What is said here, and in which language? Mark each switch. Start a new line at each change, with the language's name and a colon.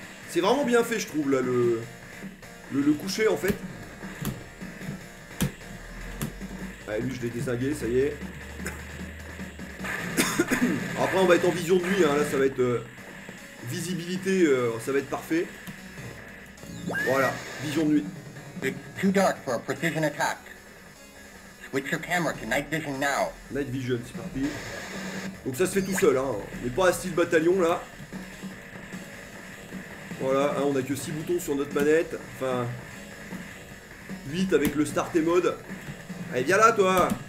French: C'est vraiment bien fait, je trouve, là, le coucher, en fait. Ouais, lui, je l'ai désingué, ça y est. Après, on va être en vision de nuit, hein. Là, ça va être visibilité, ça va être parfait. Voilà, vision de nuit.
English: It's too dark for a precision attack. Switch your camera to night vision now. Night vision,
French: c'est parti. Donc ça se fait tout seul, hein. On est pas à style bataillon, là. Voilà, hein, on a que 6 boutons sur notre manette. Enfin, 8 avec le start et mode. Allez, viens là, toi.